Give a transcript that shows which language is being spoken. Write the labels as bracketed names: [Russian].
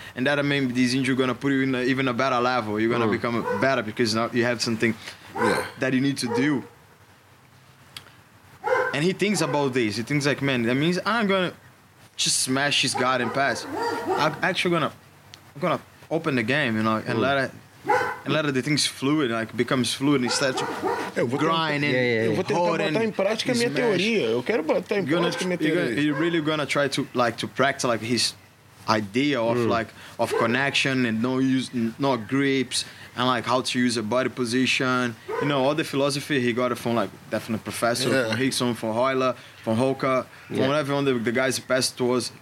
[English] And that means this injury gonna put you in a, even a better level. You're gonna become better because now you have something that you need to do. And he thinks about this. He thinks like, man, that means I'm gonna just smash his guard and pass. I'm gonna open the game, you know, and let it. A lot of the things fluid, like becomes fluid instead of grinding. [Portuguese] Eu vou tentar botar em prática a minha teoria. Eu quero botar em prática a minha teoria. [English] You're really gonna try to like to practice like his idea of like of connection and no use, no grips and like how to use a body position. You know, all the philosophy he got from like definitely professor from Hickson, from Hoyler, from Hoka, from everyone the guys passed towards.